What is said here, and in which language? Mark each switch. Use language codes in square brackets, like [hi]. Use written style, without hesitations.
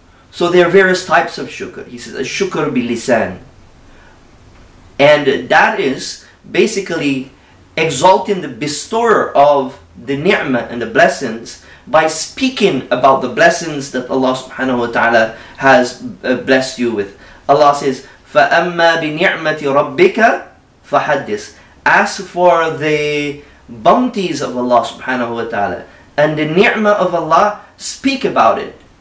[en] So there are various types of shukr. He says a shukr bilisan. And that is basically exalting the bestower of the ni'mah and the blessings by speaking about the blessings that Allah subhanahu wa ta'ala has blessed you with. [ar] Allah says, فَأَمَّا بِنِعْمَةِ رَبِّكَ فَحَدِّثْ. [en] As for the bounties of Allah subhanahu wa ta'ala and the ni'mah of Allah, speak about it.